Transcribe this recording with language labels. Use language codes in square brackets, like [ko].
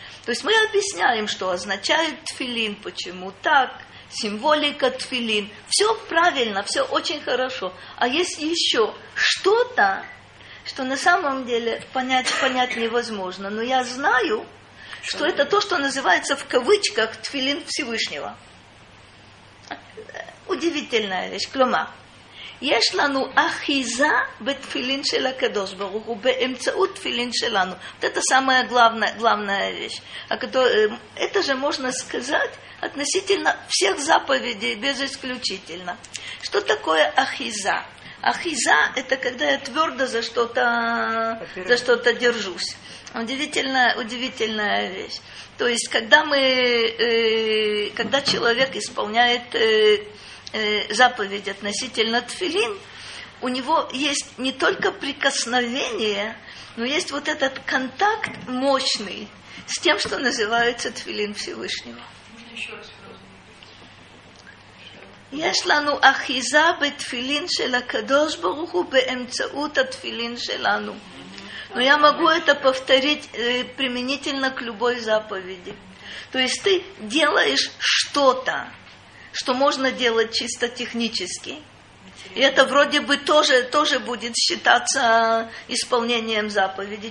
[ru] То есть мы объясняем, что означает тфилин, почему так, символика тфилин. Все правильно, все очень хорошо. А есть еще что-то, что на самом деле понять невозможно. Но я знаю, что это то, что называется в кавычках тфилин Всевышнего. Удивительная вещь. Клома. [he] יש לנו אחיזה בתפילין של הקדוש ברוך הוא באמצעות תפילין שלנו. [ru] Вот это самая главная вещь. Это же можно сказать относительно всех заповедей, без исключительно. Что такое אחיזה? אחיזה – это когда я твердо за что-то держусь. Удивительная вещь. То есть, когда человек исполняет... заповедь относительно тфилин, у него есть не только прикосновение, но есть вот этот контакт мощный с тем, что называется тфилин Всевышнего. [he] יש לנו אחיזה בתפילין של הקדוש ברוך הוא באמצעות התפילין שלנו. [ru] Но я могу это повторить применительно к любой заповеди. То есть ты делаешь что-то, что можно делать чисто технически. И это вроде бы тоже будет считаться исполнением заповеди.